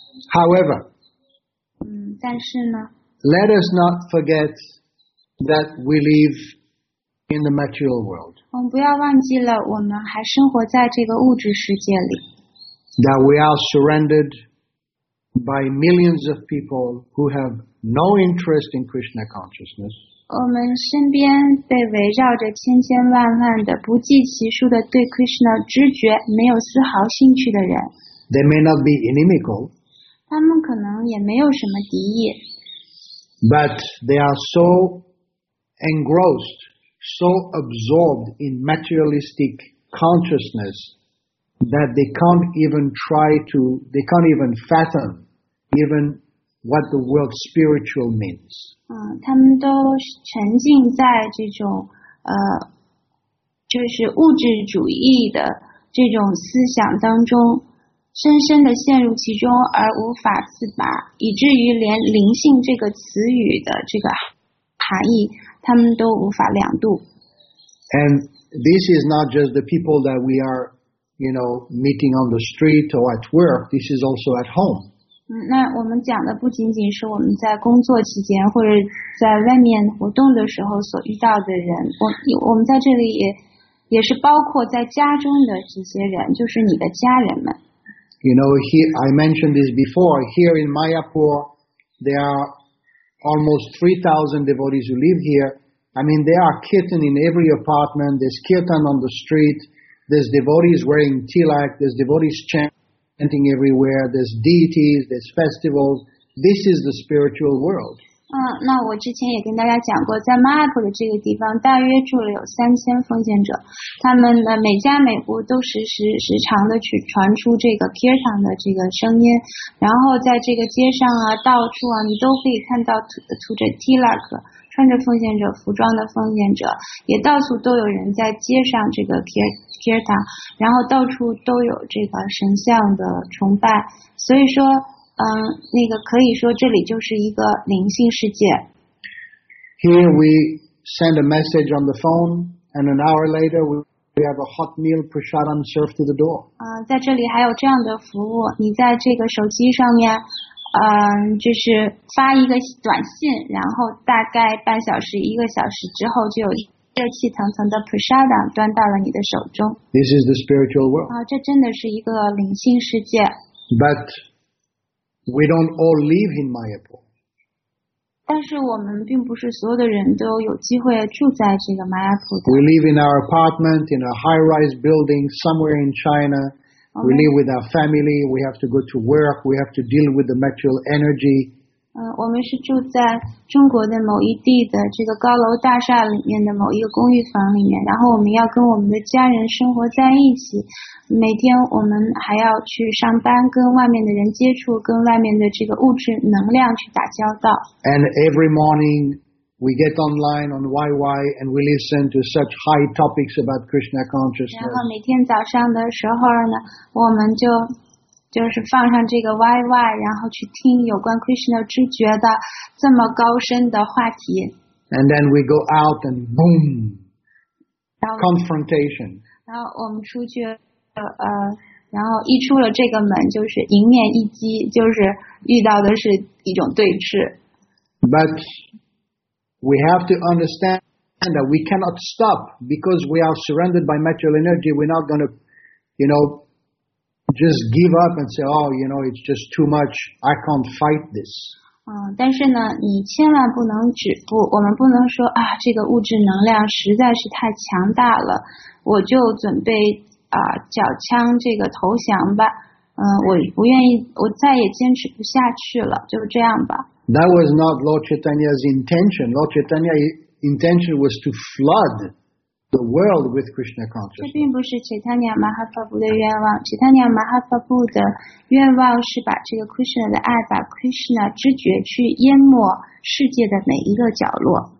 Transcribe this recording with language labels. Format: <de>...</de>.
<en>However,</en> <zh>但是呢</zh> <en>，let us not forget that we live in the material world.</en> <zh>我们不要忘记了，我们还生活在这个物质世界里。</zh> <en>That we are surrounded by millions of people who have no interest in Krishna consciousness.</en> <zh>我们身边被围绕着千千万万的不计其数的对 Krishna 知觉没有丝毫兴趣的人。</zh> <en>They may not be inimical.</en> <zh>他们可能也没有什么敌意。</zh> <en>But they are so engrossed, so absorbed in materialistic consciousness. That they can't even try to, they can't even fathom even what the word spiritual means.</en> <zh>他们都沉浸在这种就是物质主义的这种思想当中，深深的陷入其中而无法自拔，以至于连灵性这个词语的这个含义，他们都无法量度。</zh> <en>And this is not just the people that we are. You know, meeting on the street or at work. This is also at home.</en> <zh>那我们讲的不仅仅是我们在工作期间或者在外面活动的时候所遇到的人。我们在这里也是包括在家中的这些人，就是你的家人们。</zh> <en>You know, here I mentioned this before. Here in Mayapur, there are almost 3,000 devotees who live here. I mean, there are kirtan in every apartment. There's kirtan on the street. There's devotees wearing tilak, there's devotees chanting everywhere, there's deities, there's festivals. This is the spiritual world.</en> <zh>那我之前也跟大家讲过，在 Mayapur 的这个地方，大约住了有3000奉献者，他们呢每家每户都时常的去传出这个 kirtan 的这个声音，然后在这个街上啊，到处啊，你都可以看到涂着 tilak。穿着奉献者服装的奉献者，也到处都有人在街上这个 kirtan， 然后到处都有这个神像的崇拜。所以说，那个可以说这里就是一个灵性世界。</zh> <en>Here we send a message on the phone, and an hour later we have a hot meal prasadam served to the door.</en> <zh>在这里还有这样的服务，你在这个手机上面。就是发一个短信，然后大概半小时、一个小时之后，就有热气腾腾的 prasada 端到了你的手中。</zh> <en>This is the spiritual world.</en> <zh>这真的是一个灵性世界。</zh> <en>But we don't all live in Mayapur.</en> <zh>但是我们并不是所有的人都有机会住在这个 Mayapur 的。</zh> <en>We live in our apartment in a high-rise building somewhere in China. Okay. We live with our family, we have to go to work, we have to deal with the material energy.</en> <zh>我们是住在中国的某一地的这个高楼大厦里面的某一个公寓房里面，然后我们要跟我们的家人生活在一起，每天我们还要去上班，跟外面的人接触，跟外面的这个物质能量去打交道。</zh> <en>And every morning, we get online on YY and we listen to such high topics about Krishna consciousness.</en> <zh>然后每天早上的时候呢，我们就是放上这个 YY， 然后去听有关 Krishna 知觉的这么高深的话题。</zh> <en>And then we go out and boom, confrontation.</en> <zh>然后我们出去，然后一出了这个门就是迎面一击，就是遇到的是一种对峙。</zh> <en>But We have to understand that we cannot stop because we are surrounded by material energy. We're not going to, you know, just give up and say, oh, you know, it's just too much. I can't fight this.</en> <zh>但是呢，你千万不能止步。我们不能说啊，这个物质能量实在是太强大了，我就准备缴枪这个投降吧。我不愿意，我再也坚持不下去了，就这样吧。</zh> <en>That was not Lord Chaitanya's intention. Lord Chaitanya's intention was to flood the world with Krishna consciousness.</en> <zh>这并不是 Chaitanya Mahaprabhu 的愿望。Chaitanya Mahaprabhu 的愿望是把这个 Krishna 的爱，把 Krishna 知觉去淹没世界的每一个角落。</zh>